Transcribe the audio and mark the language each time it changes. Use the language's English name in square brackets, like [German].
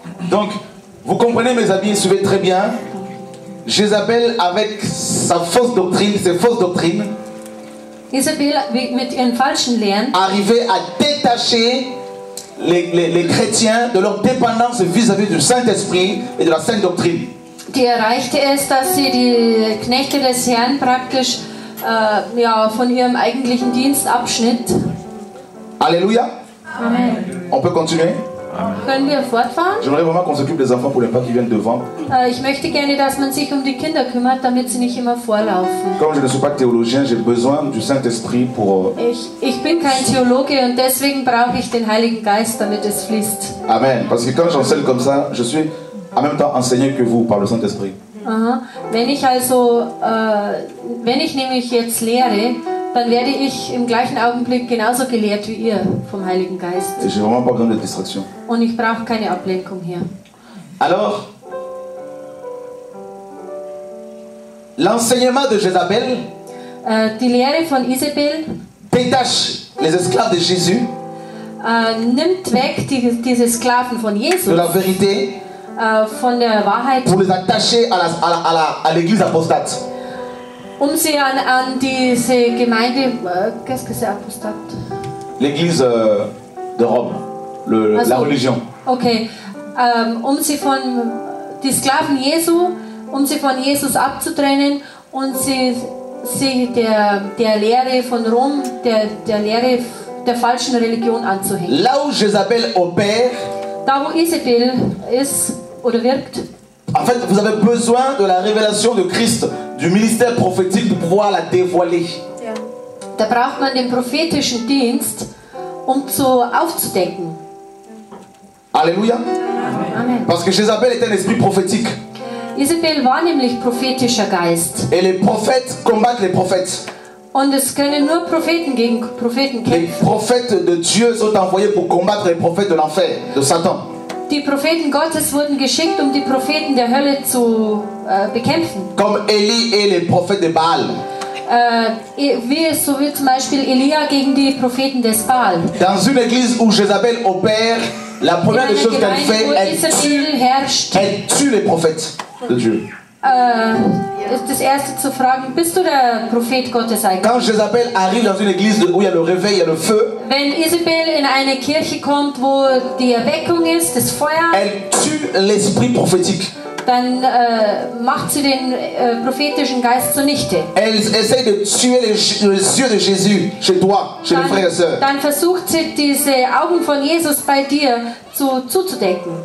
[French] Donc, vous comprenez mes amis, suivez très bien. Jézabel avec sa fausse doctrine, ses fausses doctrines. [German] Isabel mit ihren falschen Lehren. [French] Arrivait à détacher les chrétiens de leur dépendance vis-à-vis du Saint-Esprit et de la sainte doctrine. [German] Die erreichte es, dass sie die Knechte des Herrn praktisch von ihrem eigentlichen Dienst abschnitt. [French] Alléluia. [German] Amen. [French] On peut continuer? [German] Amen. Können wir fortfahren? [French] J'aimerais vraiment qu'on s'occupe des enfants pour les pas qui viennent devant. [German] Ich möchte gerne, dass man sich um die Kinder kümmert, damit sie nicht immer vorlaufen. [French] Comme je ne suis pas théologien, j'ai besoin du Saint-Esprit pour. [German] Ich bin kein Theologe und deswegen brauche ich den Heiligen Geist, damit es fließt. Amen. [French] Parce que quand j'enseigne comme ça, je suis en même temps enseigné que vous par le Saint-Esprit. [German] Wenn ich nämlich jetzt lehre, dann werde ich im gleichen Augenblick genauso gelehrt wie ihr vom Heiligen Geist. [French] Et j'ai vraiment pas besoin de distraction. [German] Und ich brauche keine Ablenkung hier. [French] Alors, l'enseignement de Jézabel, [German] die Lehre von Isabel, [French] détache les esclaves de Jésus, [German] nimmt weg diese Sklaven von Jesus, [French] de la vérité, [German] von der Wahrheit, [French] pour les attacher à l'église apostate. [German] Um sie an diese Gemeinde, [French] qu'est-ce que c'est apostat? L'église de Rome, la religion. [German] Okay, um sie von die Sklaven Jesu, um sie von Jesus abzutrennen und sie der Lehre von Rom, der Lehre der falschen Religion anzuhängen. [French] Là où Jézabel opère, [German] da wo Isabel ist oder wirkt. [French] En fait, vous avez besoin de la révélation de Christ, du ministère prophétique pour pouvoir la dévoiler. [German] Ja. Da braucht man den prophetischen Dienst, aufzudecken. [French] Alléluia. [German] Amen. [French] Parce que Jézabel est un esprit prophétique. [German] Isabel war nämlich prophetischer Geist. [French] Et les prophètes combattent les prophètes. [German] Und es können nur Propheten gegen Propheten kämpfen. [French] Les prophètes de Dieu sont envoyés pour combattre les prophètes de l'enfer, de Satan. [German] Die Propheten Gottes wurden geschickt, um die Propheten der Hölle zu bekämpfen. [French] Comme Élie et les prophètes de Baal. [German] Wie zum Beispiel Elia gegen die Propheten des Baal. [French] Dans une église où Jézabel opère, la première des choses qu'elle fait, elle tue les prophètes de Dieu. [German] Das erste zu fragen, bist du der Prophet Gottes eigentlich? [French] Quand Jézabel arrive dans une église où il y a le réveil, il y a le feu, [German] wenn Isabel in eine Kirche kommt, wo die Erweckung ist, das Feuer, [French] elle tue l'esprit prophétique. [German] Dann macht sie den prophetischen Geist zunichte. [French] Elle essaie de tuer les yeux de Jésus chez toi, chez les frères et sœurs. [German] Dann versucht sie, diese Augen von Jesus bei dir zuzudecken.